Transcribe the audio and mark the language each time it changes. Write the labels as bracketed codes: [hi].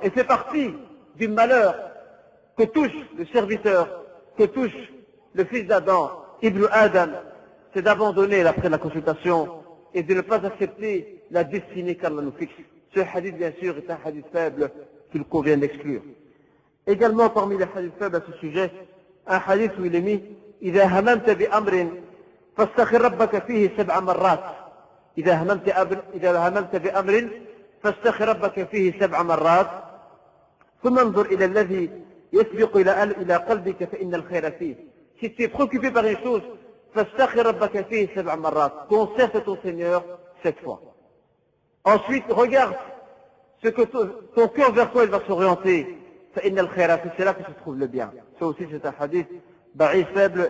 [fr] Et c'est parti du malheur que touche le serviteur, que touche le fils d'Adam, Ibn Adam, c'est d'abandonner après la consultation et de ne pas accepter la destinée qu'Allah nous fixe. Ce hadith, bien sûr, est un hadith faible qu'il convient d'exclure. Également, parmi les hadiths faibles à ce sujet, un hadith où il est mis [ar] إذا هممت بأمر فاستخر ربك فيه سبع مرات إذا هممت بأمر فاستخ ربك فيه 7 مرات ثم انظر الى الذي يسبق الى قلبك فان الخير فيه. [fr] Si tu es préoccupé par une chose, [ar] فاستخ ربك فيه 7 مرات. [fr] Consacre ton Seigneur 7 fois. Ensuite, regarde ce que ton cœur vers quoi il va s'orienter. [ar] فان الخير فيه. [fr] C'est là que se trouve le bien. Ça aussi, c'est un hadith ضعيف faible.